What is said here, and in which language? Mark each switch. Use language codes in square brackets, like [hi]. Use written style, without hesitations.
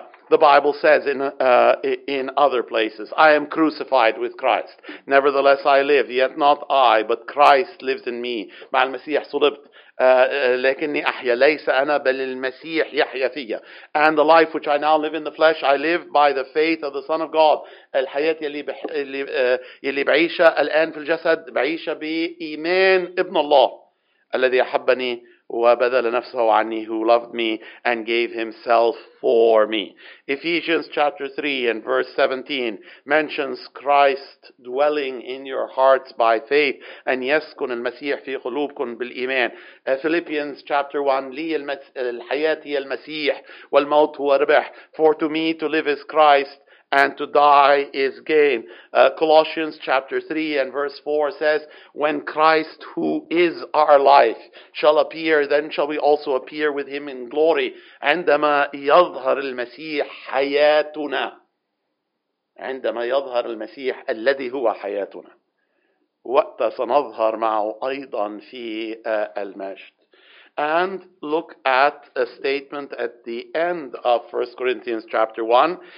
[en] The Bible says in other places, I am crucified with Christ. Nevertheless, I live, yet not I, but Christ lives in me. [ar] مع المسيح صلبت. لكني أحيا ليس أنا بل المسيح يحيا فيا. [en] And the life which I now live in the flesh, I live by the faith of the Son of God. [ar] الحياة يلي بعيشها الآن في الجسد بعيشها بإيمان ابن الله الذي أحبني وَبَذَلَ نَفْسَهُ عَنِّي, [en] who loved me and gave himself for me. Ephesians chapter 3 and verse 17 mentions Christ dwelling in your hearts by faith. [ar] أَنْ يَسْكُنَ الْمَسِيحِ فِي قُلُوبْكُنْ بِالْإِيمَانِ. Philippians chapter 1, لِي الْحَيَاةِ الْمَسِيحِ وَالْمَوْتُ هُوَ رِبِحِ. [en] For to me to live is Christ, and to die is gain. Colossians chapter 3 and verse 4 says, when Christ, who is our life, shall appear, then shall we also appear with him in glory. [ar] عندما يظهر المسيح حياتنا. عندما يظهر المسيح الذي هو حياتنا. وقت سنظهر معه أيضا في المجد. [en] And look at a statement at the end of 1 Corinthians chapter 1.